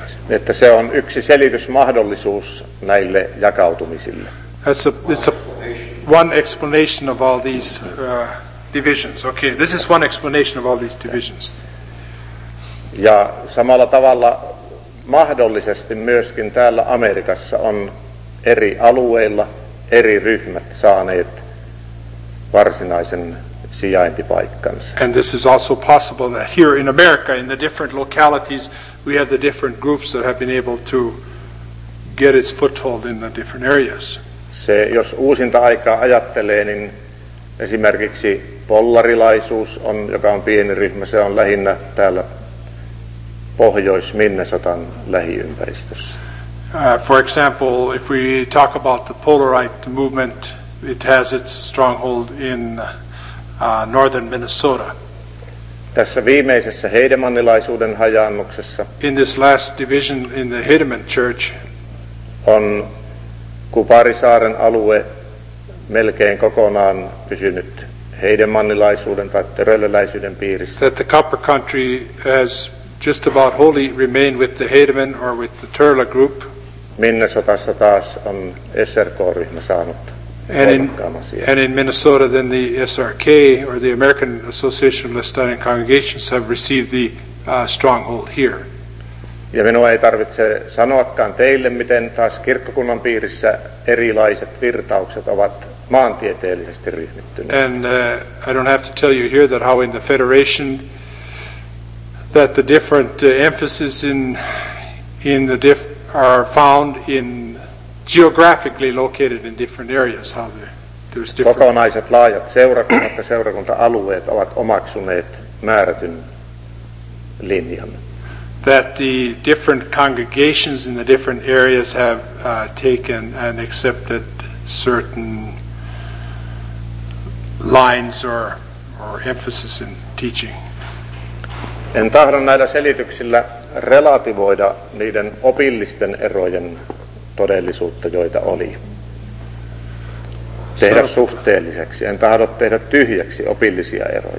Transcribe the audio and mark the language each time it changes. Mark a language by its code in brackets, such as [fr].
[fi] Että se on yksi selitysmahdollisuus näille jakautumisille. [en] It's one explanation of all these divisions. Okay, this is one explanation of all these divisions. [fi] Ja samalla tavalla mahdollisesti myöskin täällä Amerikassa on eri alueilla eri ryhmät saaneet varsinaisen sijaintipaikkansa. [en] And this is also possible that here in America, in the different localities, we have the different groups that have been able to get its foothold in the different areas. [fi] Se, jos uusinta aikaa ajattelee, niin esimerkiksi pollarilaisuus, on, joka on pieni ryhmä, se on lähinnä täällä Pohjois-Minnesotan lähiympäristössä. [en] For example, if we talk about the Polarite movement, it has its stronghold in northern Minnesota. [fi] Tässä viimeisessä Heidemannilaisuuden hajaannuksessa. [en] In this last division in the Heidemann Church, [fi] on Kuparisaaren alue melkein kokonaan pysynyt Heidemannilaisuuden tai Törölöläisyyden piirissä. [en] That the Copper Country has just about wholly remained with the Heidemann or with the Törlö group. [fi] Minnesotassa taas on SRK-ryhmä saanut. [en] And in Minnesota, then the SRK or the American Association of Lestadian Congregations have received the stronghold here. [fi] Ja minua ei tarvitse sanoakaan teille, miten taas kirkkokunnan piirissä erilaiset virtaukset ovat maantieteellisesti ryhmittyneet. [en] And I don't have to tell you here that how in the Federation that the different emphasis in the different are found in geographically located in different areas. How there's different. [fi] Kokonaiset laajat seurakunnat ja seurakunta-alueet ovat omaksuneet määrätyn linjan. [en] That the different congregations in the different areas have taken and accepted certain lines or emphasis in teaching. [fi] En tahdo näillä selityksillä relativoida niiden opillisten erojen todellisuutta, joita oli. Tehdä suhteelliseksi. En tahdo tehdä tyhjäksi opillisia eroja.